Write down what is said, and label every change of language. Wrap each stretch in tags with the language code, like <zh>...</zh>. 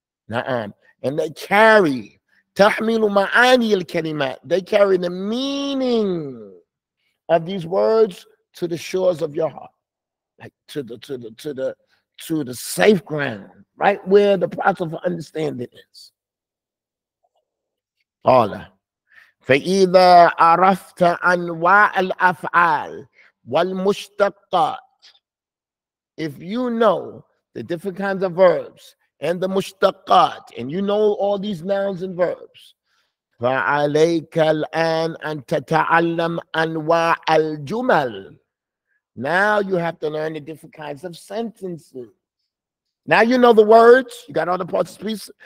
<en>And they carry,</en> <ar>تَحْمِلُ مَعَانِي الْكَلِمَاتِ.</ar> <en>They carry the meaning of these words to the shores of your heart, like to the safe ground, right where the path of understanding is.</en> <ar>Allah, فَإِذَا عَرَفْتَ أَنْوَاعَ الْأَفْعَالِ وَالْمُشْتَقَاتِ.</ar> <en>If you know the different kinds of verbs and the mushtaqat, and you know all these nouns and verbs,</en> <ar>فَعَلَيْكَ الْآنْ أَنْ تَتَعَلَّمْ أَنْوَاعَ الْجُمَلِ.</ar> <en>Now you have to learn the different kinds of sentences. Now you know the words, you got all the parts of speech.</en>